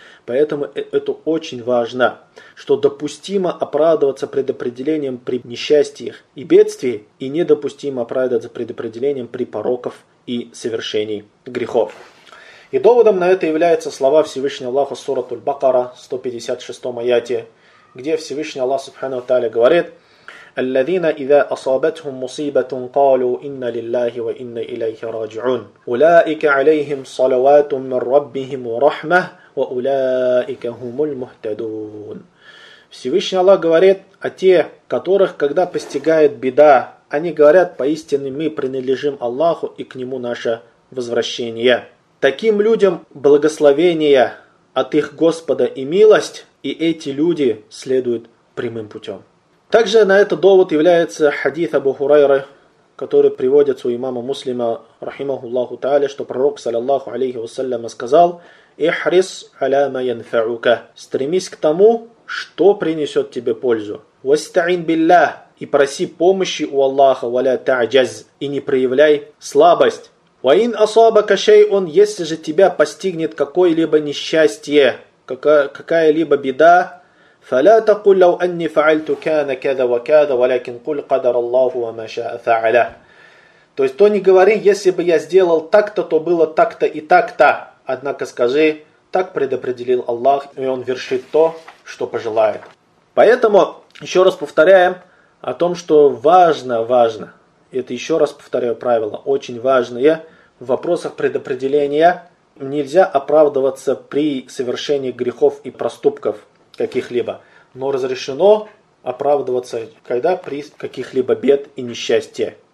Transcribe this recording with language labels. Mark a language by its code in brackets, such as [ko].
[ru] Поэтому это очень важно, что допустимо оправдываться предопределением при несчастьях и бедствии, и недопустимо оправдываться предопределением при пороках и совершении грехов. И доводом на это являются слова Всевышнего Аллаха Суратуль Бакара, 156 аяте, где Всевышний Аллах Субхану Тааля говорит: [ar] الذين إذا أصابتهم مصيبة قالوا إن لله وإن إليه راجعون أولئك عليهم صلوات من ربهم ورحمة وأولئك هم المهتدون. [ru] Всевышний Аллах говорит о тех, которых, когда постигает беда, они говорят: поистине мы принадлежим Аллаху и к Нему наше возвращение. Таким людям благословение от их Господа и милость, и эти люди следуют прямым путем. Также на этот довод является хадith Абу Хурайры, который приводится у имама Муслима, рахимахуллаху та'аля, что пророк, саллиллаху алейхи вассаляма, сказал: [ar] «Ихрис аля ма янфа'ука» [ru] – «Стремись к тому, что принесет тебе пользу». [ar] «Вастаин биллах» [ru] – «И проси помощи у Аллаха, [ar] валя та'джаз» [ru] – «И не проявляй слабость». [ar] «Ваин асабака шейун» [ru] – «Если же тебя постигнет какое-либо несчастье, какая-либо беда», [ar] فَلَا تَقُلْ لَوْ أَنِّي فَعَلْتُ كَانَ كَذَا وَكَذَا وَلَكِنْ قُلْ قَدَرَ اللَّهُ وَمَا شَاءَ فَعَلَ. [ru] То есть, то не говори: если бы я сделал так-то, то было так-то и так-то. Однако скажи: так предопределил Аллах, и Он вершит то, что пожелает. Поэтому, еще раз повторяем о том, что важно, это еще раз повторяю правило, очень важное, в вопросах предопределения нельзя оправдываться при совершении грехов и проступков каких-либо, но разрешено оправдываться, когда при каких-либо бед и несчастье.